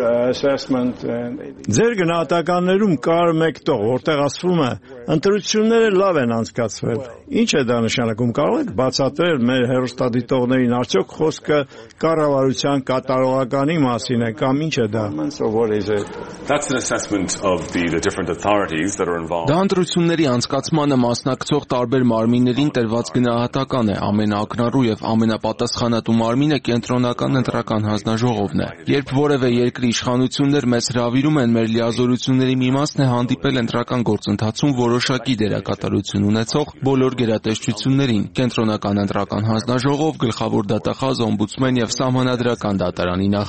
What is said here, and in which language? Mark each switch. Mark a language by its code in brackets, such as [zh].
[hy] Ձեր գնահատականներում կար մեկ տող, որտեղ ասվում է, ընտրությունները լավ են անցկացվել։ Ինչ է դա նշանակում, կարող եք բացատրել մեր հեռուստադիտողներին, արդյոք խոսքը կառավարության կատարողականի մասին է կամ ինչ է դա? [en] That's an assessment of the different authorities that are involved. [hy] Դա ընտրությունների անցկացմանը մասնակցող տարբեր մարմիններին տրված գնահատական է։ Ամենաակնառու եւ ամենապատասխանատու մարմինը կենտրոնական ընտրական հանձնաժողովն է։ Երբ որևէ երկրի իշխանություններ մեզ հրավիրում են, մեր լիազորությունների մի մասն է հանդիպել ընտրական գործընթացում որոշակի դերակատարություն ունեցող բոլոր գերատեսչություններին՝ կենտրոնական ընտրական հանձնաժողով, գլխավոր դատախազ, օմբուդսմեն եւ սահմանադրական դատարանի